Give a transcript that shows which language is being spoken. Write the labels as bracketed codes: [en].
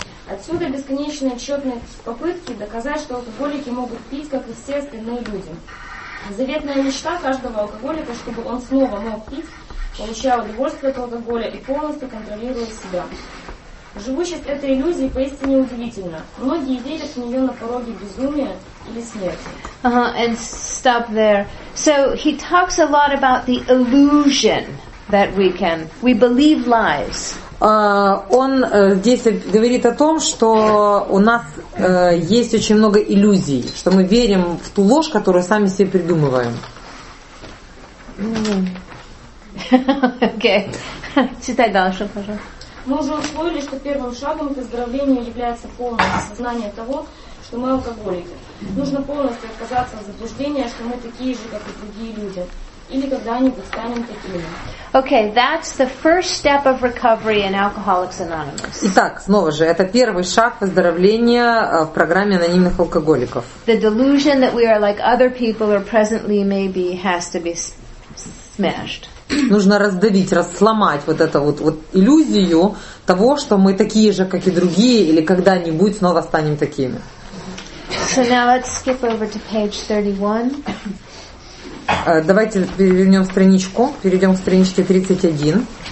[ru] Отсюда бесконечные тщетные попытки доказать, что алкоголики могут пить, как естественные люди. Заветная мечта каждого алкоголика, чтобы он снова мог пить, получая удовольствие от алкоголя и полностью контролируя себя. Живучесть этой иллюзии поистине удивительна. Многие верят в нее на пороге безумия или смерти. [en] And stop there. So he talks a lot about the illusion that we believe lies. [ru] Он здесь говорит о том, что у нас есть очень много иллюзий, что мы верим в ту ложь, которую сами себе придумываем. Окей. Читай дальше, пожалуйста. Мы уже усвоили, что первым шагом к выздоровлению является полное осознание того, что мы алкоголики. Нужно полностью отказаться от заблуждения, что мы такие же, как и другие люди, или когда-нибудь станем такими. [en] Okay, that's the first step of recovery in Alcoholics Anonymous. [ru] Итак, снова же, это первый шаг выздоровления в программе анонимных алкоголиков. [en] The delusion that we are like other people or presently maybe has to be smashed. [ru] Нужно раздавить, расломать вот эту вот иллюзию того, что мы такие же, как и другие, или когда-нибудь снова станем такими. [en] So now let's skip over to page 31. [ru] Давайте перевернем страничку, перейдем к страничке 31.